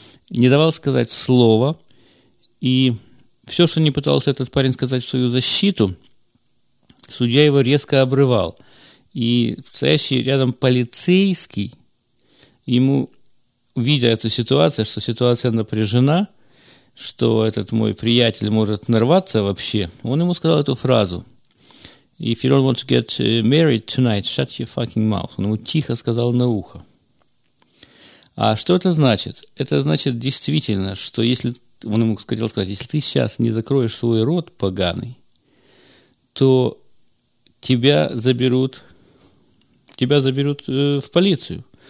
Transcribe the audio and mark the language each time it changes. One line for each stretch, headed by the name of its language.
Russian: Не давал сказать слова, и все, что не пытался этот парень сказать в свою защиту, судья его резко обрывал. И стоящий рядом полицейский, ему, видя эту ситуацию, что ситуация напряжена, что этот мой приятель может нарваться вообще, он ему сказал эту фразу.
English: If you don't want to get married tonight, shut your fucking mouth.
Russian: Он ему тихо сказал на ухо. А что это значит? Это значит действительно, что если... Он ему хотел сказать, если ты сейчас не закроешь свой рот поганый, то тебя заберут в полицию.